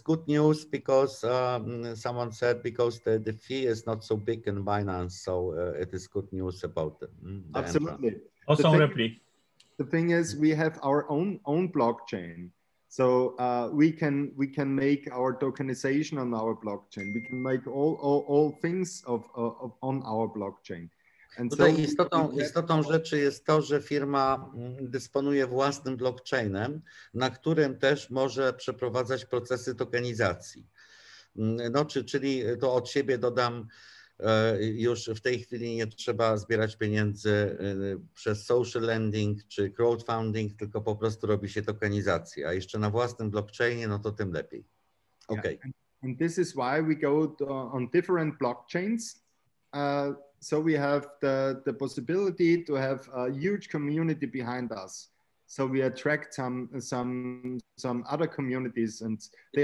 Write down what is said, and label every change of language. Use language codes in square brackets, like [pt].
[en] good news because someone said because the fee is not so big in Binance, so it is good news about the absolutely. Also, the thing is we have our own blockchain, so we can make our tokenization on our blockchain. We can make all things of on our blockchain. [pl] Tutaj istotą rzeczy jest to, że firma dysponuje własnym blockchainem, na którym też może przeprowadzać procesy tokenizacji. No, czyli to od siebie dodam, już w tej chwili nie trzeba zbierać pieniędzy przez social lending czy crowdfunding, tylko po prostu robi się tokenizację. A jeszcze na własnym blockchainie, no to tym lepiej. [en] Okay. Yeah. And this is why we go on different blockchains. So we have the possibility to have a huge community behind us. So we attract some other communities and they